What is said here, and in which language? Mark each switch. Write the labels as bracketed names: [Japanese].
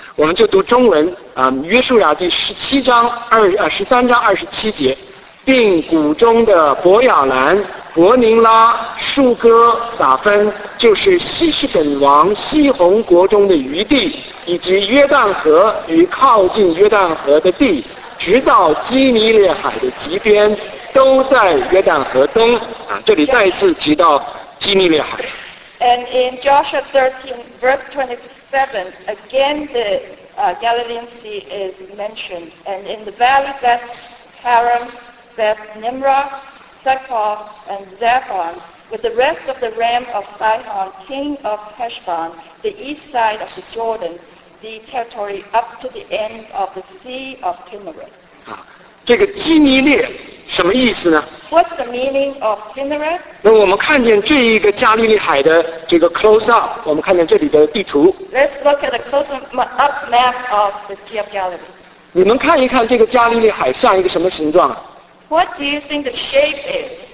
[Chinese] 我们就读中文啊、约书亚记13:27，并谷中的伯雅兰、伯宁拉、树哥、撒芬，就是西西本王西宏国中的余地。以及约旦河与靠近约旦河的地，直到基尼列海的极边，都在约旦河东。啊，这里再一次提到基尼列海。 [English] And in Joshua 13:27, again the Galilean Sea is mentioned. And in the valley Beth Haram, Beth Nimrah, Succoth, and Zephon, with the rest of the ram of Sihon, king of Heshbon, the east side of the Jordan. The territory up to the end of the Sea of Kinneret. [Chinese] 啊，这个基尼列什么意思呢 [English] ？What's the meaning of Kinneret? [Chinese] 那我们看见这一个加利利海的这个 close up， 我们看见这里的地图。 [English] Let's look at a close up map of the Sea of Galilee. [Chinese] 你们看一看这个加利利海像一个什么形状 [English] ？What do you think the shape is?